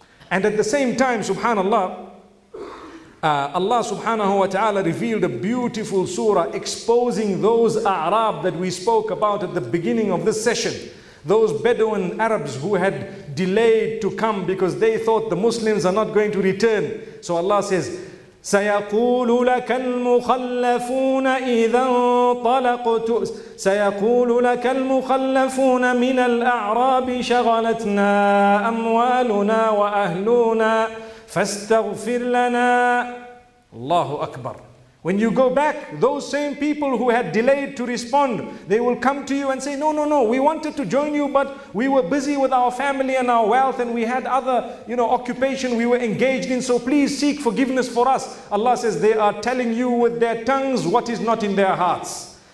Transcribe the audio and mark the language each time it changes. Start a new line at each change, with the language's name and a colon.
English: And at the same time, subhanallah, Allah subhanahu wa ta'ala revealed a beautiful surah exposing those A'rab that we spoke about at the beginning of this session. Those Bedouin Arabs who had delayed to come because they thought the Muslims are not going to return. So Allah says,
Arabic: سَيَقُولُ لَكَ الْمُخَلَّفُونَ إِذَا انطَلَقْتُ سَيَقُولُ لَكَ الْمُخَلَّفُونَ مِنَ الْأَعْرَابِ شَغَلَتْنَا أَمْوَالُنَا وَأَهْلُونَا فَاسْتَغْفِرْ لَنَا. Allahu Akbar.
English: When you go back, those same people who had delayed to respond, they will come to you and say, no, no, no, we wanted to join you, but we were busy with our family and our wealth, and we had other, you know, occupation we were engaged in, so please seek forgiveness for us. Allah says, they are telling you with their tongues what is not in their hearts.